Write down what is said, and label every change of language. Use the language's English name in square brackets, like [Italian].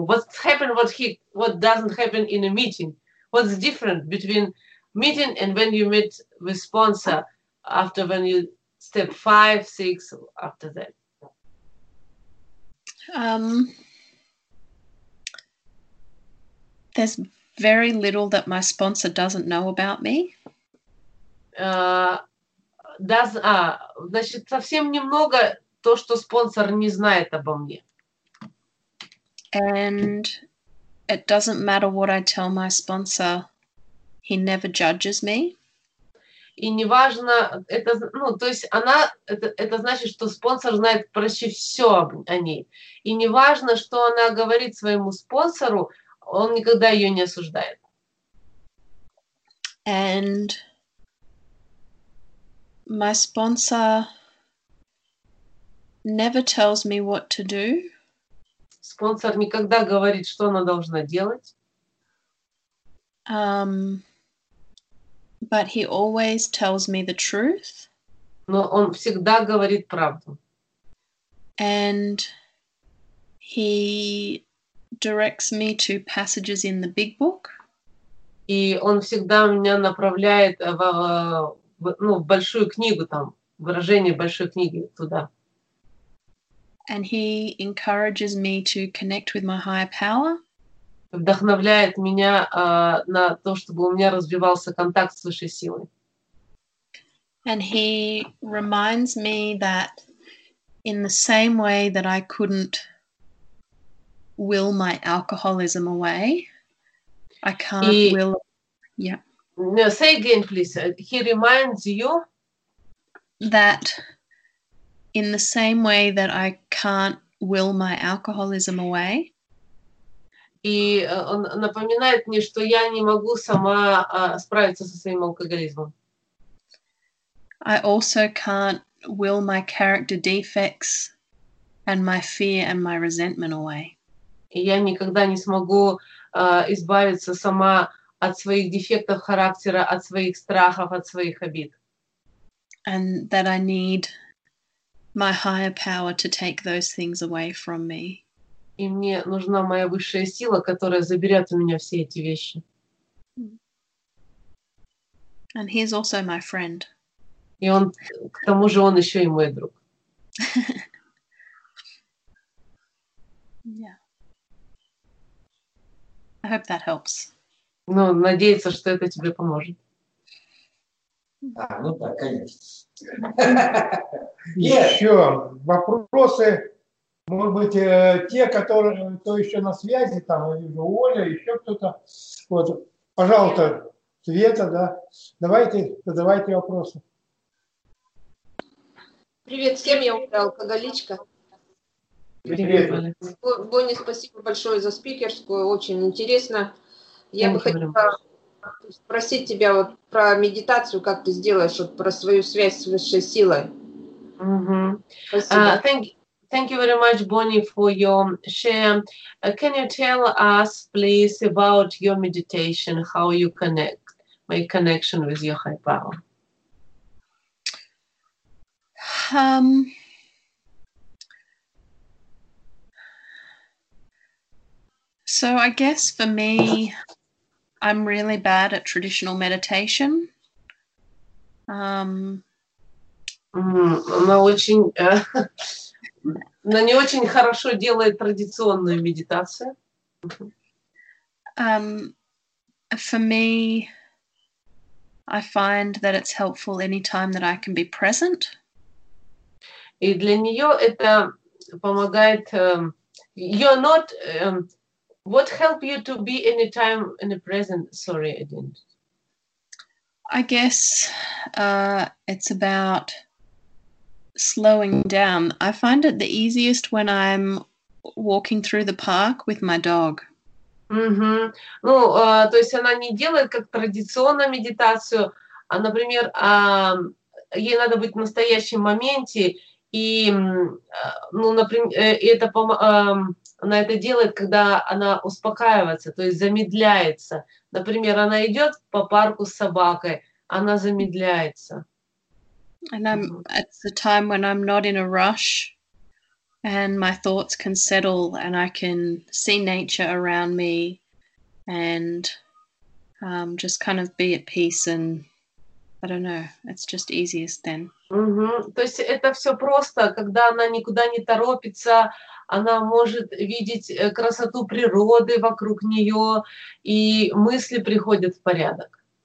[English] What doesn't happen in a meeting? What's different between meeting and when you meet with sponsor after when you step 5, 6 after that? There's very little that my sponsor doesn't know about me. [Russian] Значит, совсем немного то, что спонсор не знает обо мне. [English] And it doesn't matter what I tell my sponsor, he never judges me. [Russian] И неважно, это, ну, то есть она, это значит, что спонсор знает почти все о ней. И неважно, что она говорит своему спонсору, он никогда ее не осуждает. [English] And my sponsor never tells me what to do. [Russian] Спонсор никогда говорит, что она должна делать. [English] But he always tells me the truth. [Russian] Но он всегда говорит правду. [English] And he directs me to passages in the big book. [Russian] И он всегда меня направляет в большую книгу, там, выражение большой книги туда. [English] And he encourages me to connect with my higher power. [Russian] Вдохновляет меня на то, чтобы у меня развивался контакт с высшей силой. [English] And he reminds me that in the same way that I couldn't will my alcoholism away, I can't will... Yeah. No, say again, please. He reminds you... That in the same way that I can't will my alcoholism away, [Russian] и он напоминает мне, что я не могу сама справиться со своим алкоголизмом. [English] I also can't will my character defects and my fear and my resentment away. [Russian] И я никогда не смогу избавиться сама от своих дефектов характера, от своих страхов, от своих обид. [English] And that I need my higher power to take those things away from me. [Russian] И мне нужна моя высшая сила, которая заберет у меня все эти вещи. [English] And he's also my friend. [Russian] И он, к тому же, он еще и мой друг. [English] Yeah. I hope that helps. [Russian] Ну, надеяться, что это тебе поможет. Да, ну так, конечно. Еще вопросы? Может быть, те, которые кто еще на связи, там, Оля, еще кто-то. Вот, пожалуйста, Света, да. Давайте, задавайте вопросы. Привет всем, я Оля, алкоголичка. Привет. Бонни, спасибо большое за спикерскую, очень интересно. Я бы хотела спросить тебя вот про медитацию, как ты сделаешь, вот про свою связь с высшей силой. Спасибо. [English] Thank you very much, Bonnie, for your share. Can you tell us, please, about your meditation, how you connect, make connection with your high power? So I guess for me, I'm really bad at traditional meditation. [Russian] Она очень... Она не очень хорошо делает традиционную медитацию. [English] For me, I find that it's helpful anytime that I can be present. [Russian] И для нее это помогает. [English] You're not. What help you to be anytime in the present? Sorry, I didn't. I guess it's about slowing down. I find it the easiest when I'm walking through the park with my dog. Mm-hmm. [Russian] Ну, то есть она не делает как традиционную медитацию, а, например, ей надо быть в настоящем моменте, и, ну, например, это она это делает, когда она успокаивается, то есть замедляется. Например, она идет по парку с собакой, она замедляется. [English] And I'm at the time when I'm not in a rush and my thoughts can settle and I can see nature around me and just kind of be at peace and I don't know, it's just easiest then. Mm-hmm. [Russian] То есть это все просто, когда она никуда не торопится, она может видеть красоту природы вокруг нее и мысли приходят в порядок.